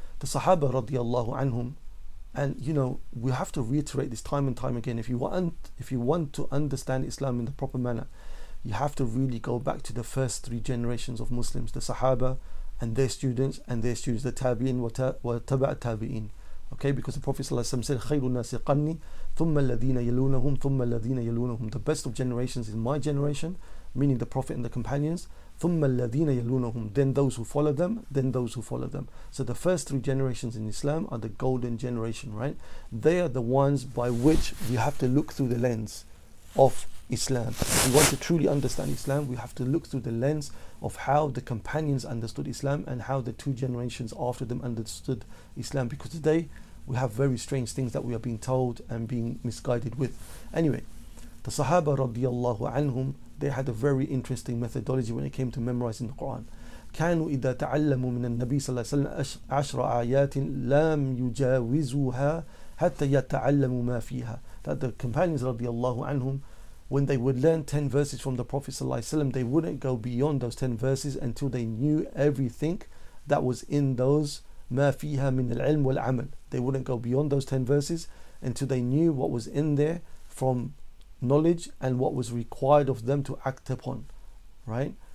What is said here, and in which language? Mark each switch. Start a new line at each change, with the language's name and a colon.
English: The Sahaba radiallahu anhum, and you know, we have to reiterate this time and time again. If you want to understand Islam in the proper manner, you have to really go back to the first three generations of Muslims, the Sahaba and their students, and their students, the Tabi'in wa Taba' Tabi'in. Okay, because the Prophet ﷺ said,
Arabic: خَيْرُ النَّاسِ قَرْنِي ثُمَّ الَّذِينَ يَلُونَهُمْ ثُمَّ الَّذِينَ يَلُونَهُمْ.
English: The best of generations is my generation, meaning the Prophet and the companions.
Arabic: ثُمَّ الَّذِينَ يَلُونَهُمْ.
English: Then those who follow them, then those who follow them. So the first three generations in Islam are the golden generation, right? They are the ones by which we have to look through the lens of Islam. If we want to truly understand Islam, we have to look through the lens of how the companions understood Islam and how the two generations after them understood Islam, because today we have very strange things that we are being told and being misguided with. Anyway, the Sahaba radiallahu anhum, they had a very interesting methodology when it came to memorizing the Quran.
Arabic: كانوا إذا تعلموا من النبي صلى الله عليه وسلم عشر آيات لم يجاوزوها حتى يتعلموا ما فيها.
English: That the companions radiallahu anhum, when they would learn 10 verses from the Prophet ﷺ, they wouldn't go beyond those 10 verses until they knew everything that was in those
Arabic: مَا فِيهَا مِنَ الْعِلْمِ وَالْعَمَلِ.
English: They wouldn't go beyond those 10 verses until they knew what was in there from knowledge and what was required of them to act upon, right?